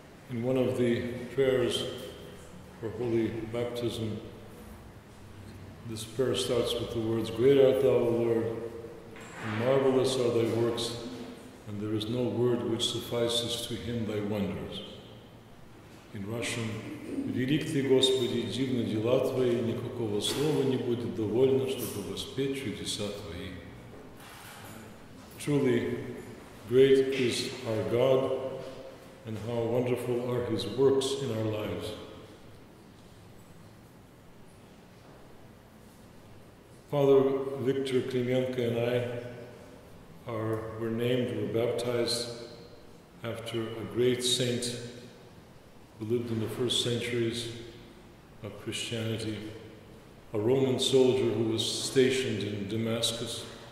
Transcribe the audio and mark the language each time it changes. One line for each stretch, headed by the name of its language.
English: In one of the prayers for holy baptism, this prayer starts with the words, "Great art thou, O Lord, and marvelous are thy works, and there is no word which suffices to hymn thy wonders." In Russian,
Russian: "Велик ты, Господи, дивны дела твои, никакого слова не будет довольно, чтобы воспеть чудеса твои."
English: Truly, great is our God, and how wonderful are his works in our lives. Father Victor Klimenko and I were baptized after a great saint who lived in the first centuries of Christianity, a Roman soldier who was stationed in Damascus,